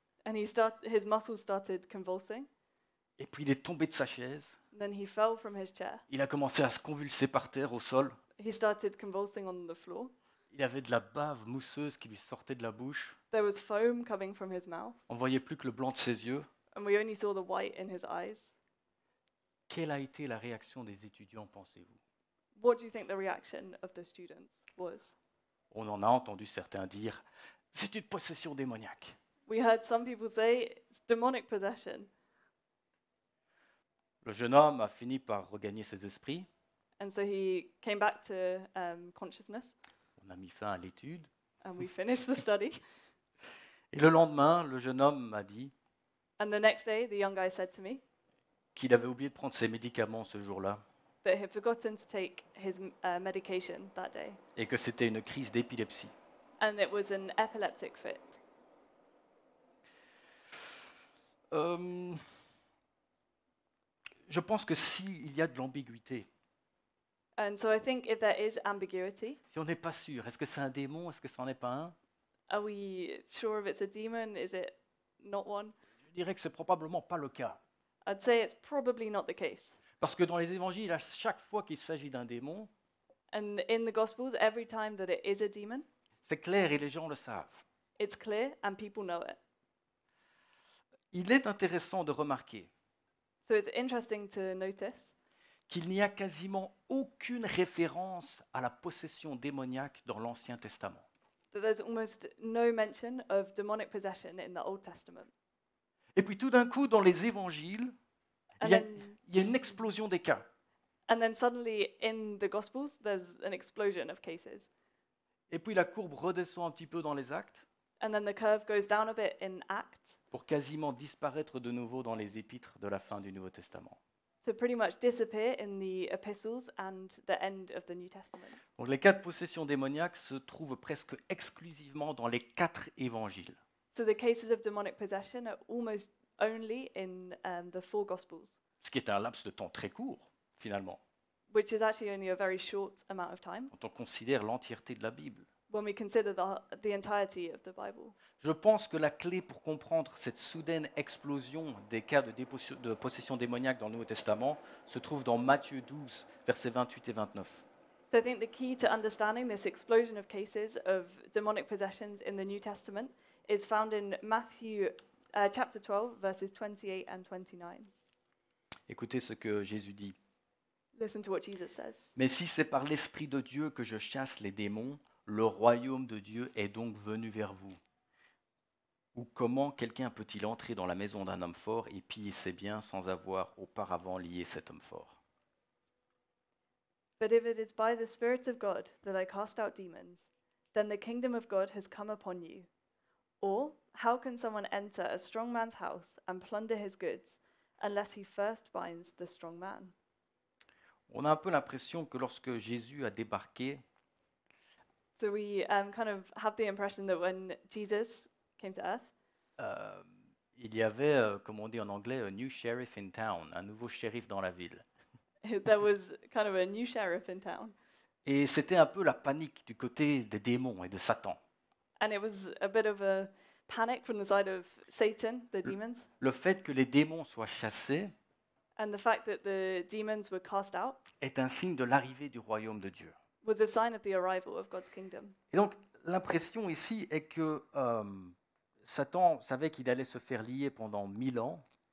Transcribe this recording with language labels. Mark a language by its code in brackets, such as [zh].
[en] And his muscles started convulsing. [fr] Et puis il est tombé de sa chaise. [en] Then he fell from his chair. [fr] Il a commencé à se convulser par terre au sol. [en] He started convulsing on the floor. [fr] Il avait de la bave mousseuse qui lui sortait de la bouche. [en] There was foam coming from his mouth. [fr] On voyait plus que le blanc de ses yeux. [en] And we only saw the white in his eyes. [fr] Quelle a été la réaction des étudiants, pensez-vous? [en] What do you think the reaction of the students was? [fr] On en a entendu certains dire, c'est une possession démoniaque. [en] We heard some people say it's demonic possession. [fr] Le jeune homme a fini par regagner ses esprits. [en] And so he came back to consciousness. [fr] On a mis fin à l'étude. [en] And we finished the study. [fr] Et le lendemain, le jeune homme m'a dit. [en] And the next day, the young guy said to me. [fr] Qu'il avait oublié de prendre ses médicaments ce jour-là. [en] That he had forgotten to take his medication that day. [fr] Et que c'était une crise d'épilepsie. [en] And it was an epileptic fit. [fr] Je pense que si il y a de l'ambiguïté. [en] And so I think if there is ambiguity. [fr] Si on n'est pas sûr, est-ce que c'est un démon, est-ce que ça n'en est pas un? [en] Are we sure if it's a demon, is it not one? [fr] Je dirais que c'est probablement pas le cas. [en] I'd say it's probably not the case. [fr] Parce que dans les évangiles, à chaque fois qu'il s'agit d'un démon, [en] and in the gospels every time that it is a demon, [fr] c'est clair et les gens le savent. [en] It's clear and people know it. [fr] Il est intéressant de remarquer. [en] So it's interesting to notice. [fr] Qu'il n'y a quasiment aucune référence à la possession démoniaque dans l'Ancien Testament. [en] There's almost no mention of demonic possession in the Old Testament. [fr] Et puis tout d'un coup, dans les évangiles, il y a une explosion des cas. [en] And then suddenly in the Gospels, there's an explosion of cases. [fr] Et puis la courbe redescend un petit peu dans les Actes. [en] And then the curve goes down a bit in Acts. [fr] Pour quasiment disparaître de nouveau dans les épîtres de la fin du Nouveau Testament. [en] So pretty much disappear in the epistles and the end of the New Testament. [fr] Donc les quatre possessions démoniaques se trouvent presque exclusivement dans les quatre évangiles. [en] So the cases of demonic possession are almost only in the four Gospels. [fr] Ce qui est un laps de temps très court, finalement. [en] Which is actually only a very short amount of time. [fr] Quand on considère l'entièreté de la Bible. [en] When we consider the entirety of the Bible. [fr] Je pense que la clé pour comprendre cette soudaine explosion des cas de possession démoniaque dans le Nouveau Testament se trouve dans Matthieu 12, versets 28 et 29. [en] So I think the key to understanding this explosion of cases of demonic possessions in the New Testament is found in Matthew chapter 12, verses 28 and 29. [fr] Écoutez ce que Jésus dit. [en] Listen to what Jesus says. [fr] Mais si c'est par l'Esprit de Dieu que je chasse les démons, le royaume de Dieu est donc venu vers vous. Ou comment quelqu'un peut-il entrer dans la maison d'un homme fort et piller ses biens sans avoir auparavant lié cet homme fort? [en] But if it is by the Spirit of God that I cast out demons, then the kingdom of God has come upon you. Or how can someone enter a strong man's house and plunder his goods unless he first binds the strong man? [fr] On a un peu l'impression que lorsque Jésus a débarqué, [en] so we kind of have the impression that when Jesus came to earth, [fr] il y avait, comme on dit en anglais, [en] a new sheriff in town, [fr] un nouveau shérif dans la ville. [en] There was kind of a new sheriff in town. [fr] Et c'était un peu la panique du côté des démons et de Satan. [en] And it was a bit of a panic from the side of Satan, the demons. [fr] Le fait que les démons soient chassés, [en] and the fact that the demons were cast out, [fr] est un signe de l'arrivée du royaume de Dieu. [en] Was a sign of the arrival of God's kingdom. [fr] Et donc, l'impression ici est que Satan savait qu'il allait se faire lier pendant 1000 ans.